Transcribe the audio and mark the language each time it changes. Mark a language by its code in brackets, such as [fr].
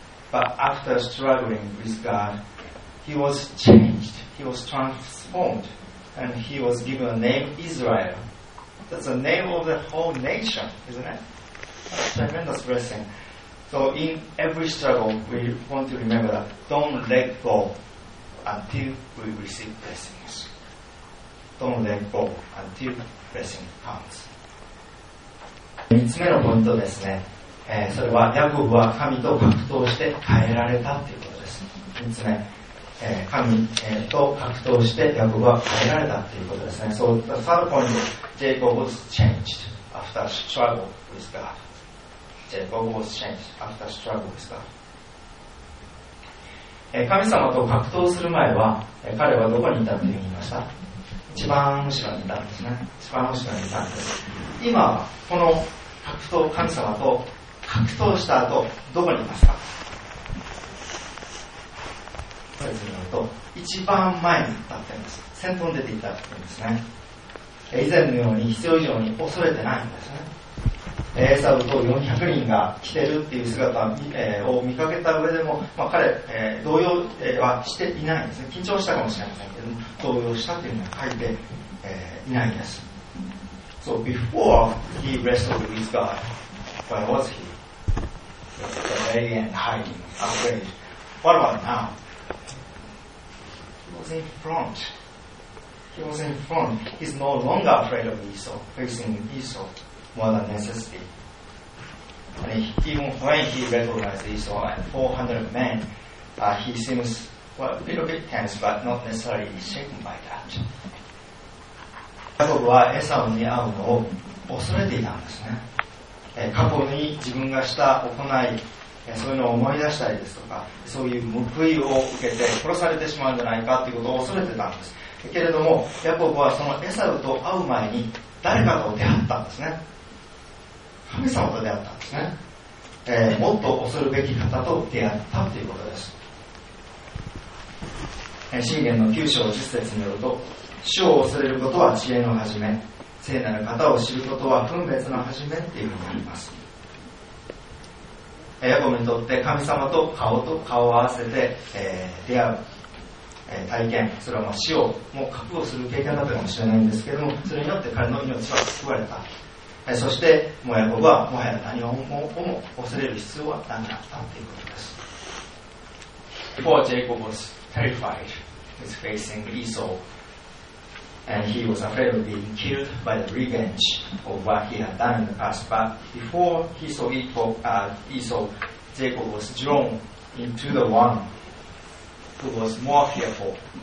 [en] But after struggling with God, he was changed, he was transformed, and he was given a name, Israel. That's the name of the whole nation, isn't it? A tremendous blessing. So in every struggle, we want to remember that don't let go until we receive blessings. Don't let go until blessing comes. [ja] 3つ目のポイントですね。それはヤコブは神と格闘して変えられたということです。 3つ目、神と格闘してヤコブは変えられたということですね。 [en] So the third point is Jacob was changed after struggle with God. Jacob was changed after struggle with God. [ja] 神様と格闘する前は彼はどこにいたというふうに言いました。一番後ろにいたんですね。一番後ろにいたんです。今この格闘、神様と格闘した後どこにいますか。説明すると一番前に立っています。先頭に出ていたんですね。以前のように必要以上に恐れてないんですね。エサウと400人が来てるっていう姿を見かけた上でも、まあ、彼、動揺はしていないんですね。緊張したかもしれませんけども動揺したというのは書いて、いないんです。 [en] So before he wrestled with God, where was he? Delay and hiding, afraid. What about now? He was in front. He was in front. He's no longer afraid of Esau, facing Esau more than necessity. And even when he recognized Esau and 400 men, he seems, well, a little bit tense, but not necessarily shaken by that. [ja] ヤコブはエサウに会うのを恐れていたんですね。過去に自分がした行い、そういうのを思い出したりですとか、そういう報いを受けて殺されてしまうんじゃないかということを恐れてたんです。けれどもヤコブはそのエサウと会う前に誰かと出会ったんですね。神様と出会ったんですね。もっと恐るべき方と出会ったということです。箴言の9章10節によると、主を恐れることは知恵の始め、聖なる方を知ることは分別の始めっていうふうにあります。ヤコブにとって神様と顔と顔を合わせて、出会う体験、それはもう死をもう覚悟する経験だったかもしれないんですけれども、それによって彼の命は救われた。そしてもうヤコブはもはや何をも恐れる必要はなくなったということです。 [en] Before Jacob was terrified with facing Esau and he was afraid of being killed by the revenge of what he had done in the past, but before he saw Esau, Jacob was drawn into the one who was more fearful.